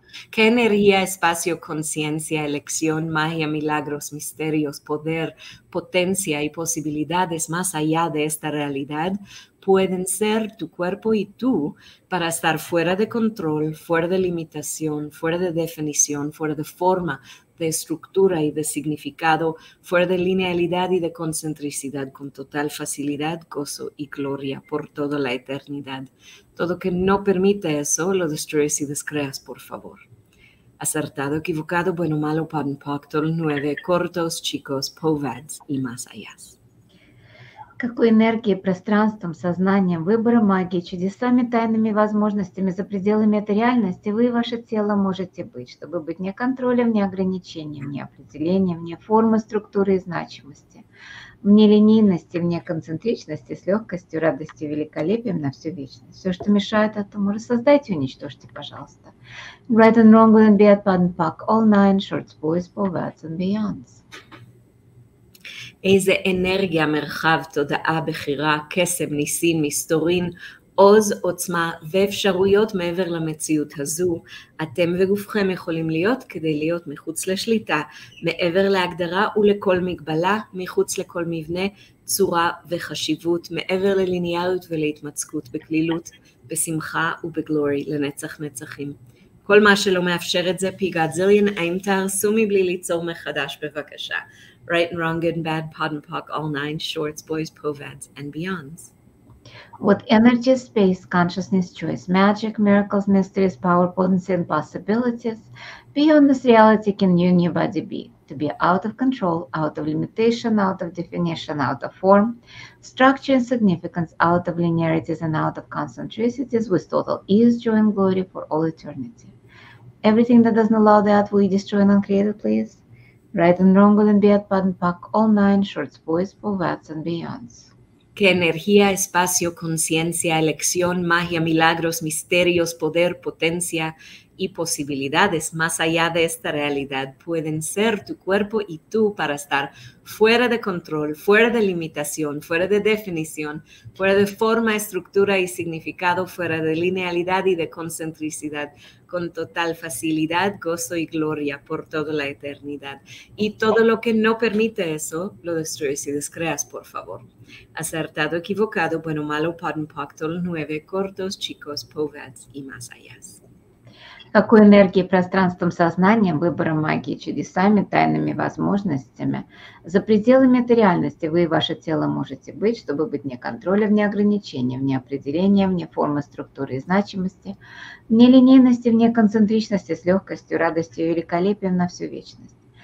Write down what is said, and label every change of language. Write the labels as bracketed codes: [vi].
[es] ¿Qué energía, espacio, conciencia, elección, magia, milagros, misterios, poder, potencia y posibilidades más allá de esta realidad pueden ser tu cuerpo y tú para estar fuera de control, fuera de limitación, fuera de definición, fuera de forma, de estructura y de significado, fuera de linealidad y de concentricidad, con total facilidad, gozo y gloria por toda la eternidad? Todo que no permite eso, lo destruyes y descreas, por favor. Acertado, equivocado, bueno, malo, pan, pactol, nueve, cortos, chicos, povads y más allá. [ru] Какой энергией, пространством, сознанием, выбором, магией, чудесами, тайными возможностями за пределами этой реальности вы и ваше тело можете быть, чтобы быть не контролем, не ограничением, не определением, не формы, структуры и значимости, вне линейности, вне концентричности, с легкостью, радостью, великолепием на всю вечность. Все, что мешает этому, рассоздайте, уничтожьте, пожалуйста. [en] Right and wrong, good and bad, bad and pack, all nine shorts, boys, poets and beyonds. [he] איזה אנרגיה, מרחב, תודעה, בחירה, קסם, ניסים, מסתורין, עוז, עוצמה ואפשרויות מעבר למציאות הזו. אתם וגופכם יכולים להיות כדי להיות מחוץ לשליטה, מעבר להגדרה ולכל מגבלה, מחוץ לכל מבנה, צורה וחשיבות, מעבר לליניאריות ולהתמצקות, בקלילות, בשמחה ובגלורי, לנצח נצחים. כל מה שלא מאפשר את זה, פיגעת זיליין, האם תהרסו מבלי ליצור מחדש, בבקשה. [en] Right and wrong, good and bad, pod and pock, all nine shorts, boys, povads, and beyonds. What energy, space, consciousness, choice, magic, miracles, mysteries, power, potency, and possibilities beyond this reality can you and your body be? To be out of control, out of limitation, out of definition, out of form, structure and significance, out of linearities and out of concentricities, with total ease, joy, and glory for all eternity. Everything that doesn't allow that, will you destroy and uncreate it, please? Right and wrong, good and bad, pot and pack, all nine shorts, boys, povats, and beyonds. [es] Que energía, espacio, conciencia, elección, magia, milagros, misterios, poder, potencia y posibilidades más allá de esta realidad pueden ser tu cuerpo y tú para estar fuera de control, fuera de limitación, fuera de definición, fuera de forma, estructura y significado, fuera de linealidad y de concentricidad, con total facilidad, gozo y gloria por toda la eternidad. Y todo lo que no permite eso, lo destruyes y descreas, por favor. Acertado, equivocado, bueno, malo, pardon, pactol, nueve, cortos, chicos, povats y más allá. [ru] Какой энергией, пространством, сознанием, выбором, магии, чудесами, тайными возможностями за пределами этой реальности вы и ваше тело можете быть, чтобы быть вне контроля, вне ограничения, вне определения, вне формы, структуры и значимости, вне линейности, вне концентричности, с легкостью, радостью и великолепием на всю вечность.